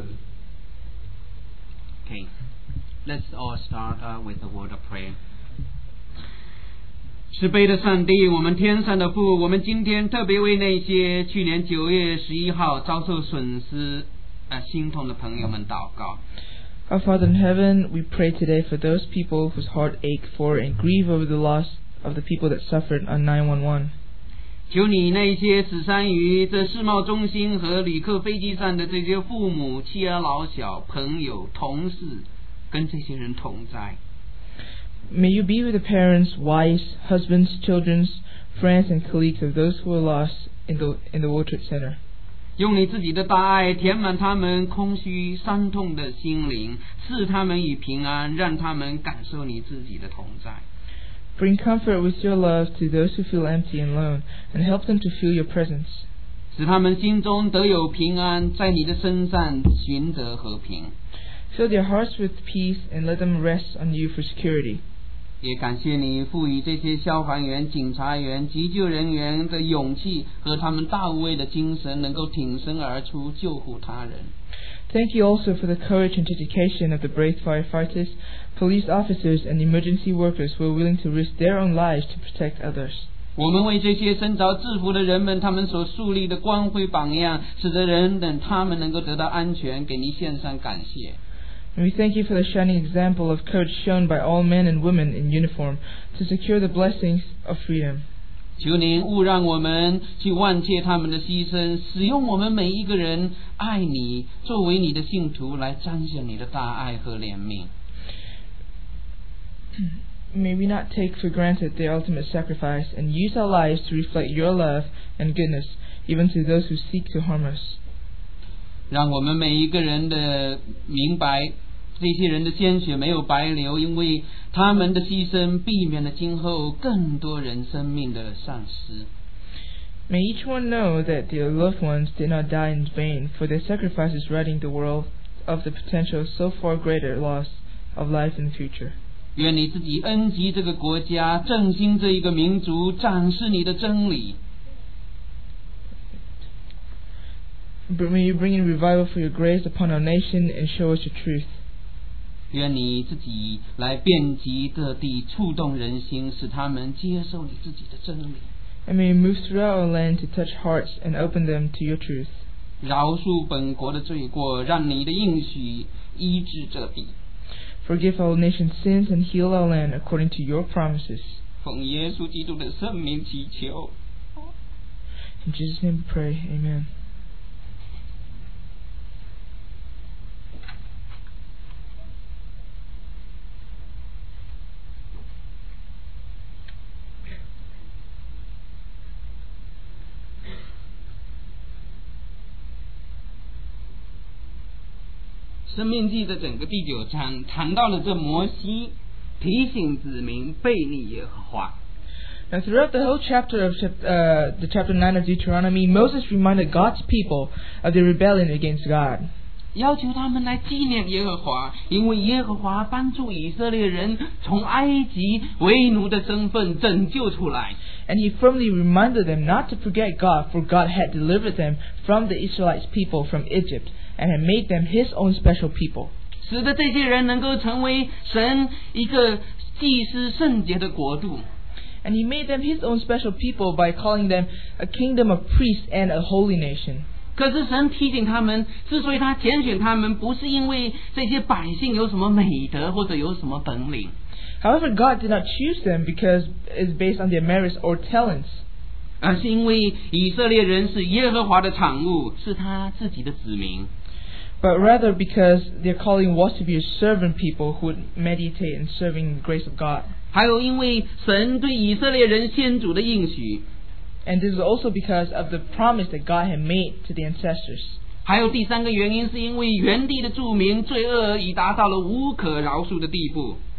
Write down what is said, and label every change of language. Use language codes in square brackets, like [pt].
[en] okay, let's all start with a word of prayer. [zh] 慈悲的上帝，我们天上的父，我们今天特别为那些去年9月11号遭受损失心痛的朋友们祷告。 [en] Our Father in heaven, we pray today for those people whose heart ache for and grieve over the loss of the people that suffered on 9/11. [zh] 求你那些死伤于这世贸中心和旅客飞机上的这些父母、妻儿、老小、朋友、同事，跟这些人同在。 [en] May you be with the parents, wives, husbands, children, friends, and colleagues of those who are lost in the World Trade Center. [zh] 用你自己的大爱填满他们空虚、伤痛的心灵，赐他们与平安，让他们感受你自己的同在。 [en] Bring comfort with your love to those who feel empty and alone, and help them to feel your presence. [zh] 使他们心中得有平安，在你的身上寻得和平。 [en] Fill their hearts with peace and let them rest on you for security. [zh] 也感谢你赋予这些消防员、警察员、急救人员的勇气和他们大无畏的精神，能够挺身而出救护他人。 [en] Thank you also for the courage and dedication of the brave firefighters, police officers, and emergency workers who are willing to risk their own lives to protect others. [zh] 我们为这些身着制服的人们，他们所树立的光辉榜样，使得人等他们能够得到安全，给您献上感谢。 [en] And we thank you for the shining example of courage shown by all men and women in uniform to secure the blessings of freedom. [zh] 求您勿让我们去忘记他们的牺牲，使用我们每一个人爱你，作为你的信徒来彰显你的大爱和怜悯。 [en] May we not take for granted the ultimate sacrifice and use our lives to reflect your love and goodness even to those who seek to harm us. [zh] 让我们每一个人的明白，这些人的鲜血没有白流，因为他们的牺牲避免了今后更多人生命的丧失。 [en] May each one know that their loved ones did not die in vain, for their sacrifice is ridding the world of the potential so far greater loss of life in the future. [zh] 愿你自己恩及这个国家，振兴这一个民族，展示你的真理。 [en] May you bring in revival for your grace upon our nation and show us your truth. [zh] 愿你自己来遍及各地，触动人心，使他们接受你自己的真理。 [en] And may you move throughout our land to touch hearts and open them to your truth. [zh] 饶恕本国的罪过，让你的应许医治这地。 [en] Forgive our nation's sins and heal our land according to your promises. [zh] 奉耶稣基督的圣名祈求。 [en] In Jesus' name we pray, Amen. [zh] 生命记的整个第九章谈到了这摩西提醒子民背逆耶和华。 [en] Now throughout the whole chapter of the chapter 9 of Deuteronomy, Moses reminded God's people of their rebellion against God. [zh] 要求他们来纪念耶和华，因为耶和华帮助以色列人从埃及为奴的身份拯救出来。 [en] And he firmly reminded them not to forget God, for God had delivered them from the Israelites' people from Egypt. And had made them his own special people. [zh] 使得这些人能够成为神一个祭司圣洁的国度。 [en] And he made them his own special people by calling them a kingdom of priests and a holy nation. [zh] 可是神提醒他们，之所以他拣选他们，不是因为这些百姓有什么美德或者有什么本领。 [en] However, God did not choose them because it's based on their merits or talents. [zh] 而是因为以色列人是耶和华的产物，是他自己的子民。 [en] But rather because their calling was to be a servant people who would meditate in serving the grace of God. [zh] 还有因为神对以色列人先祖的应许。 [en] And this is also because of the promise that God had made to the ancestors. [zh] 还有第三个原因是因为原地的住民罪恶已达到了无可饶恕的地步。